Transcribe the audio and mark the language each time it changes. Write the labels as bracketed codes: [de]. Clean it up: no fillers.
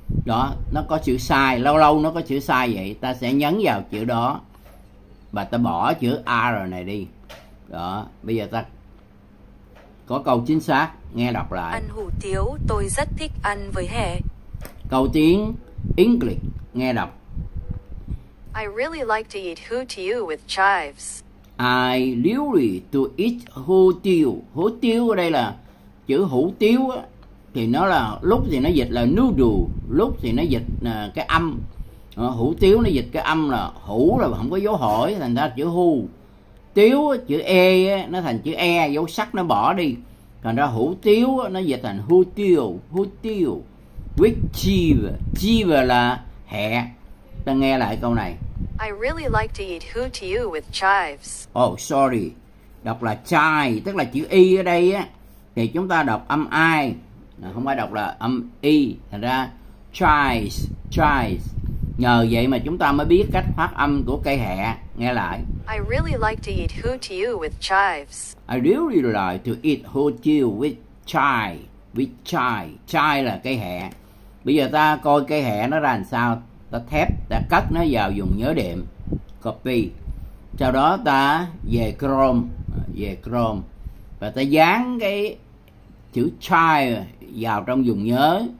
[vi] Đó, nó có chữ sai. Lâu lâu nó có chữ sai vậy. Ta sẽ nhấn vào chữ đó. Và ta bỏ chữ R này đi. Đó, bây giờ ta có câu chính xác, nghe đọc lại. Ăn hủ tiếu tôi rất thích ăn với hẹ. Câu tiếng English, nghe đọc. [en] I really like to eat hủ tiếu with chives. I really to eat hủ tiếu. [vi] Hủ tiếu ở đây là chữ hủ tiếu á, thì nó là lúc thì nó dịch là noodle, lúc thì nó dịch cái âm. Hủ tiếu nó dịch cái âm là hủ là không có dấu hỏi, thành ra chữ hủ. Tiếu chữ e nó thành chữ e, dấu sắc nó bỏ đi, thành ra hủ tiếu nó dịch thành hủ tiêu. Hủ tiêu [en] with cheese. [vi] Cheese là hẹ. Ta nghe lại câu này. [en] I really like to eat hủ tiêu with chives. Oh sorry, [vi] đọc là chai, tức là chữ y ở đây á thì chúng ta đọc âm i, không phải đọc là âm y, thành ra chives. Nhờ vậy mà chúng ta mới biết cách phát âm của cây hẹ. Nghe lại. [en] I really like to eat hủ tiếu with chives. I really like to eat hủ tiếu with chives. With chives. [vi] Chives là cây hẹ. Bây giờ ta coi cây hẹ nó ra làm sao. Ta thép, ta cắt nó vào dùng nhớ đệm. Copy. Sau đó ta về Chrome. Và ta dán cái chữ chives vào trong dùng nhớ.